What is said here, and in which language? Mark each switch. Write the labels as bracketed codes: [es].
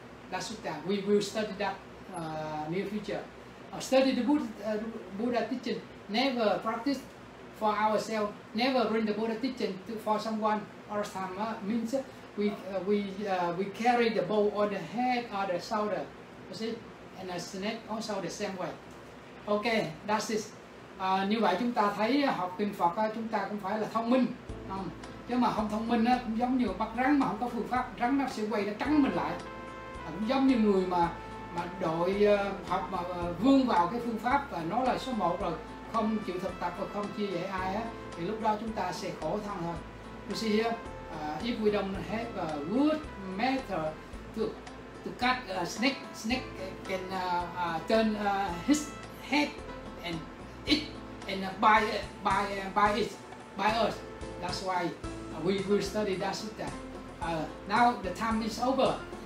[en] That sutta, we will study that near future. Study the Buddha teaching, never practice for ourselves, never bring the Buddha teaching for someone or some means we carry the bowl on the head or the shoulder. You see? And a snake also the same way. Ok, that's it. [vi] Như vậy chúng ta thấy học kinh Phật chúng ta cũng phải là thông minh. Chứ mà không thông minh cũng giống như bắt rắn mà không có phương pháp, rắn nó sẽ quay nó cắn mình lại. Cũng giống như người mà đội học mà vương vào cái phương pháp và nó là số 1 rồi, không chịu thực tập và không chia sẻ ai á, thì lúc đó chúng ta sẽ khổ thân thôi. [en] You see here, if we don't have a good method to cut a snake can turn his head and eat and bite us. That's why we will study that sutta. Now the time is over.